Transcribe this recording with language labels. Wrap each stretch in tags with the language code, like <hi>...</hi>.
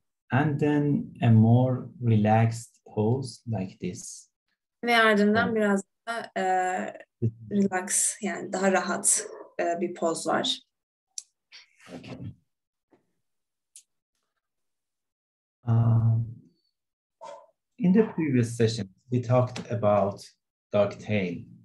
<en>And then a more relaxed pose like this.</en> <tr>Ve ardından biraz daha relax, yani daha rahat bir poz var.</tr> <en>Okay. In the previous session, we talked about ducktail,</en>